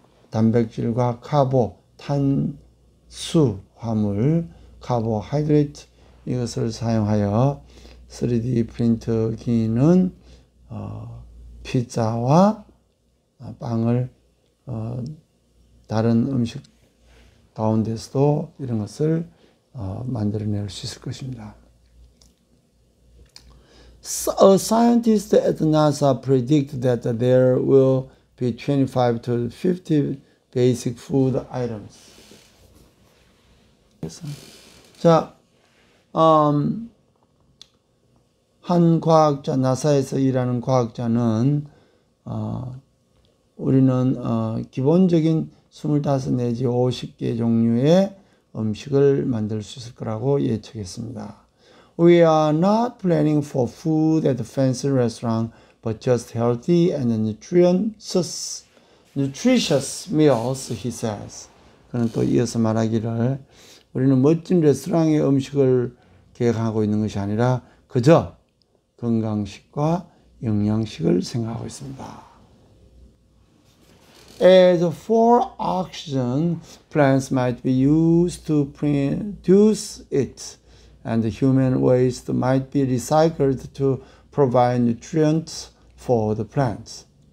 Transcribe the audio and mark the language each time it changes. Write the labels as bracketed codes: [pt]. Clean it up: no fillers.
[ko] 단백질과 카보, 탄수화물, carbohydrate 이것을 사용하여 3D 프린터기는 피자와 빵을 다른 음식 가운데서도 이런 것을 만들어낼 수 있을 것입니다. [en] A scientist at NASA predicted that there will be 25 to 50 basic food items. [ko] 자, 한 과학자, NASA에서 일하는 과학자는 우리는 기본적인 25 내지 50개 종류의 음식을 만들 수 있을 거라고 예측했습니다. [en] We are not planning for food at a fancy restaurant, but just healthy and nutritious meals, he says. [ko] 그는 또 이어서 말하기를, 우리는 멋진 레스토랑의 음식을 계획하고 있는 것이 아니라 그저 건강식과 영양식을 생각하고 있습니다. [en] As for oxygen, plants might be used to produce it, and human waste might be recycled to provide nutrients for the plants.